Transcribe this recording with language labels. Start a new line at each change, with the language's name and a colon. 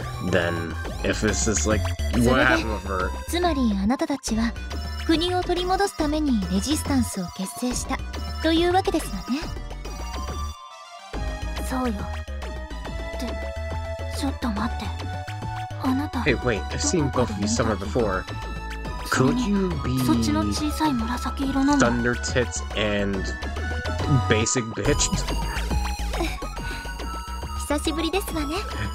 English: Then, if this is like what happened with her.
Japanese: つまりあなたたちは国を取り戻すためにレジスタンスを結成したというわけですよね。
English: Hey, wait, I've seen both of you somewhere before. Could you be Thunder Tits and Basic Bitch?